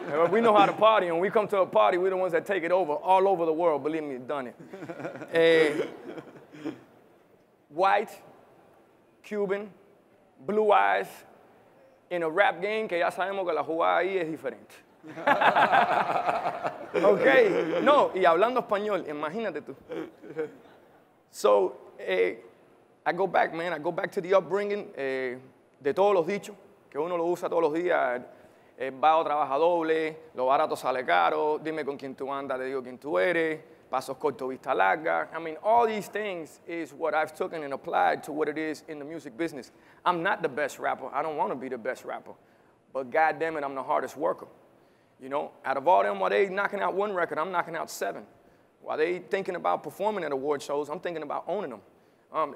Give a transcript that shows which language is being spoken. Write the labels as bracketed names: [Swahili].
[English] We know how to party, and when we come to a party, we're the ones that take it over all over the world. Believe me, done it. White, Cuban, blue eyes, in a rap game, [Spanish] que ya sabemos que la jugada ahí es diferente. Okay, no, y hablando español, imagínate tú. [English] So, I go back, man, I go back to the upbringing, [Spanish] de todos los dichos, que uno lo usa todos los días, vago trabaja doble, lo barato sale caro, dime con quién tú andas, te digo quién tú eres, pasos corto, vista larga. [English] I mean, all these things is what I've taken and applied to what it is in the music business. I'm not the best rapper. I don't want to be the best rapper. But God damn it, I'm the hardest worker. You know, out of all them, while they knocking out one record, I'm knocking out seven. While they thinking about performing at award shows, I'm thinking about owning them.